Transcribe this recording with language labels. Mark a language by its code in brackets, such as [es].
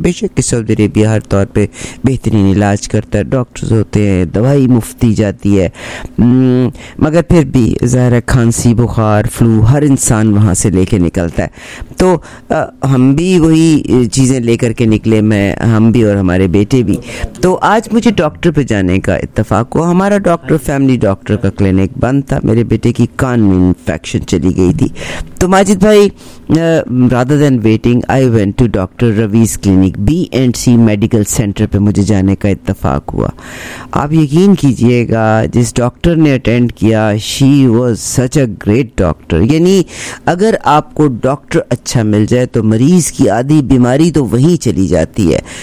[hi] बेशक Saudi Arabia हर तौर पर बेहतरीन इलाज करता है, डॉक्टर्स होते हैं, दवाई मुफ्त दी जाती है, मगर फिर भी ज़ाहिर है खांसी, बुखार, फ्लू हर इंसान वहाँ से लेके निकलता है। तो हम भी वही चीज़ें लेकर के निकले, मैं हम भी और हमारे बेटे भी। तो आज मुझे डॉक्टर पर जाने का इत्तेफाक हुआ। हमारा डॉक्टर फैमिली डॉक्टर का क्लिनिक बंद था, मेरे बेटे की कान में इन्फेक्शन चली गई थी। तो माजिद भाई, [en] rather than waiting, I went to Dr. [hi] Ravi's clinic, B&C Medical Center पे मुझे जाने का इत्तफाक हुआ। आप यकीन कीजिएगा, जिस डॉक्टर ने अटेंड किया, [en] she was such a great doctor। [hi] यानी अगर आपको डॉक्टर अच्छा मिल जाए तो मरीज की आधी बीमारी तो वहीं चली जाती है।